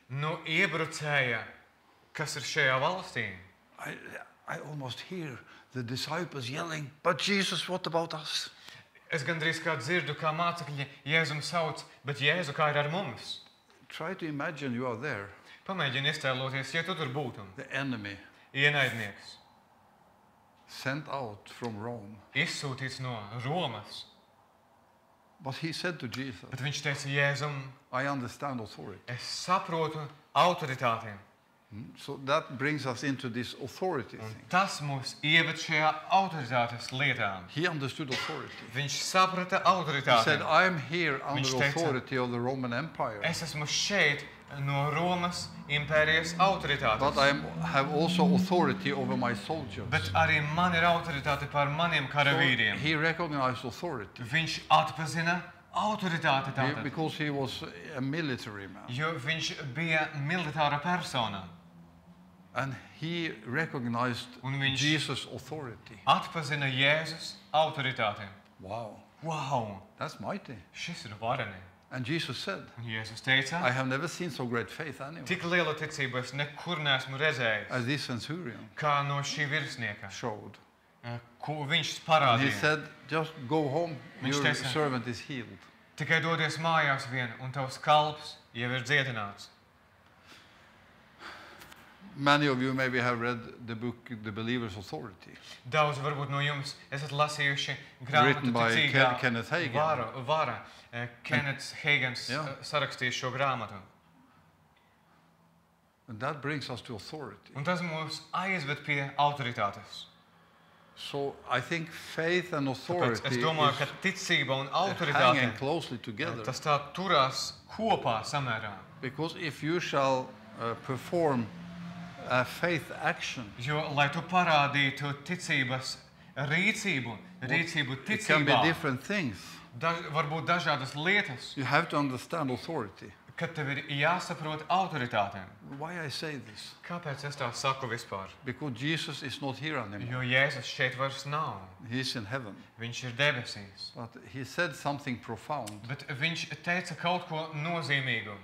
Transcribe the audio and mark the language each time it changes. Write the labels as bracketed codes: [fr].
[lv] No iebrucēja, kas ir šajā valstī. [en] I almost hear the disciples yelling, but Jesus, what about us? [lv] Es gandrīz kā dzirdu, kā mācekļi Jēzum sauc, bet Jēzu, kā ir ar mums? [en] Try to imagine you are there. [lv] Pamēģini iztēloties, ja tu tur būtu. [en] The enemy. [lv] Ienaidnieks. [en] Sent out from Rome. [lv] Izsūtīts no Romas. [en] But he said to Jesus. [lv] Bet viņš teica Jēzum, [en] I understand authority. [lv] Es saprotu autoritāti. [en] So that brings us into this authority thing. [lv] Tas mūs ieved šajā autoritātes lietā. [en] He understood authority. [lv] Viņš saprata autoritāti. [en] He said, I am here under [lv] teica, [en] authority of the Roman Empire. [lv] Es esmu šeit no Romas impērijas autoritātes. [en] But I have also authority over my soldiers. [lv] Bet arī man ir autoritāte par maniem karavīriem. [en] So he recognized authority. [lv] Viņš atpazina autoritāte tātad. [en] Because he was a military man. [lv] Jo viņš bija militāra persona. [en] And he recognized Jesus' authority. [lv] Atpazina Jēzus autoritāti. [en] Wow. Wow. That's mighty. [lv] Šis ir vareni. [en] And Jesus said, [lv] Jēzus teica, [en] I have never seen so great faith anywhere. [lv] Tik lielu ticību es nekur neesmu redzējis. [en] As this centurion. [lv] Kā no šī virsnieka. [en] Showed. [lv] Ko viņš parādīja. [en] He said, just go home, your [lv] teica, [en] servant is healed. [lv] Tikai dodies mājās vien, un tavs kalps jau ir dziedināts. [en] Many of you maybe have read the book The Believer's Authority. [lv] Daudz varbūt no jums esat lasījuši grāmatu [en] Written by Kenneth Hagin. [lv] Vara. Kenneth Hagin's sarakstījis šo grāmatu. [en] And that brings us to authority. [lv] Un tas mūs aizved pie autoritātes. [en] So I think faith and authority [lv] es domāju, ka ticība un autoritāte [en] hanging closely together. [lv] Tas tā turās kopā samērā. [en] Because if you shall perform a faith action. [lv] Jo, lai tu parādītu ticības rīcību, rīcību ticībā. [en] It can be different things. [lv] Varbūt dažādas lietas. [en] You have to understand authority. [lv] Kad tev ir jāsaprot autoritāte. [en] Why I say this? [lv] Kāpēc es tā saku vispār? [en] Because Jesus is not here anymore. [lv] Jo Jēzus šeit vairs nav. [en] He is in heaven. [lv] Viņš ir debesīs. [en] But he said something profound. [lv] Bet viņš teica kaut ko nozīmīgu.